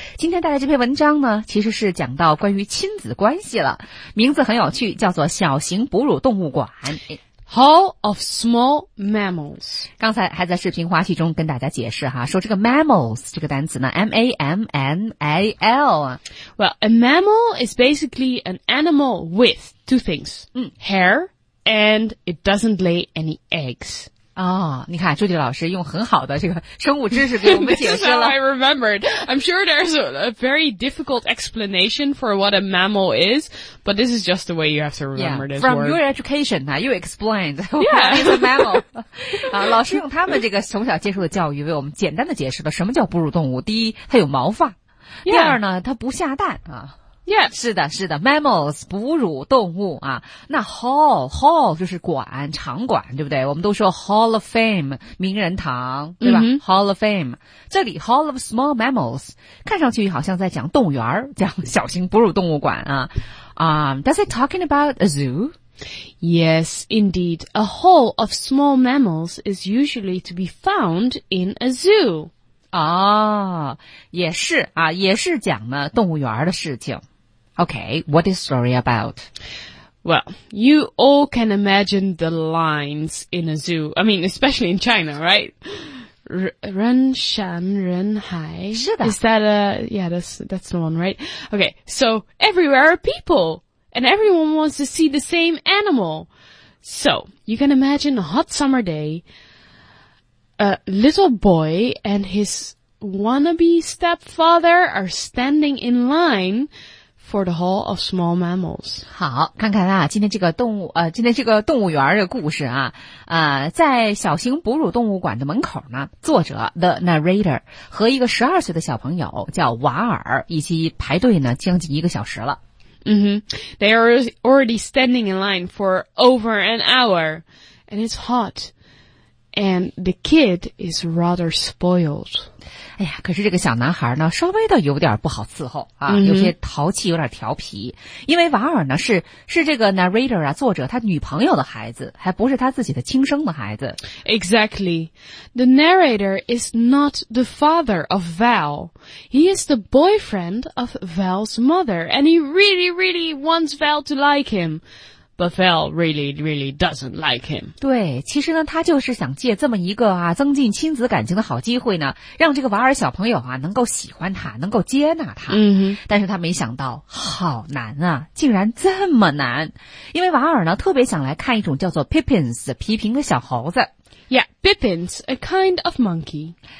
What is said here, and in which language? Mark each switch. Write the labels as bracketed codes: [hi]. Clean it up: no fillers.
[zh] 今天带来这篇文章呢，其实是讲到关于亲子关系了，名字很有趣，叫做小型哺乳动物馆。 [en] Hall of Small Mammals. [zh] 刚才还在视频花絮中跟大家解释哈，说这个 mammals 这个单词呢 ,M-A-M-M-A-L. [en] Well, a mammal is basically an animal with two things,hair, and it doesn't lay any eggs. [zh] 哦，你看朱迪老师用很好的这个生物知识给我们解释了。 [en] This is how I remembered. I'm sure there's a very difficult explanation for what a mammal is, but this is just the way you have to remember this word. From your education, you explained what is a mammal. [zh] 老师用他们这个从小接受的教育为我们简单的解释了什么叫哺乳动物。第一，它有毛发。第二呢，它不下蛋啊。 [en] Yeah. [zh] 是的是的 ,mammals, 哺乳动物啊。那 hall 就是馆场馆对不对，我们都说 hall of fame, 名人堂对吧、 mm-hmm. ,hall of fame。这里 hall of small mammals, 看上去好像在讲动物园，讲小型哺乳动物馆啊。 [en] Does it talking about a zoo? Yes, indeed. A hall of small mammals is usually to be found in a zoo. [zh] 哦，也是啊，也是讲呢动物园的事情。 [en] Okay, what is story about? Well, you all can imagine the lines in a zoo. I mean, especially in China, right? [zh] Ren Shan Ren Hai. 是的。 [en] Is that that's the one, right? Okay, so everywhere are people, and everyone wants to see the same animal. So, you can imagine a hot summer day,A little boy and his wannabe stepfather are standing in line for the Hall of Small Mammals. [zh] 好，看看啊，今天这个动物园的故事啊，在小型哺乳动物馆的门口呢，作者 The Narrator 和一个12岁的小朋友叫瓦尔一起排队呢，将近一个小时了。 Mm-hmm. [en] They are already standing in line for over an hour, and it's hot. And the kid is rather spoiled. [zh] 哎呀，可是这个小男孩呢，稍微的有点不好伺候啊， mm-hmm. 有些淘气，有点调皮。因为瓦尔呢，是这个 narrator 啊，作者他女朋友的孩子，还不是他自己的亲生的孩子。 [en] Exactly. The narrator is not the father of Val. He is the boyfriend of Val's mother, and he really, really wants Val to like him. But Val really, really doesn't like him. [zh] 对，其实呢，他就是想借这么一个啊，增进亲子感情的好机会呢，让这个瓦尔小朋友啊，能够喜欢他，能够接纳他。嗯哼。但是他没想到，好难啊，竟然这么难。因为瓦尔呢，特别想来看一种叫做 Pippins, 皮平的小猴子。 [en] Yeah, Pippins, a kind of monkey.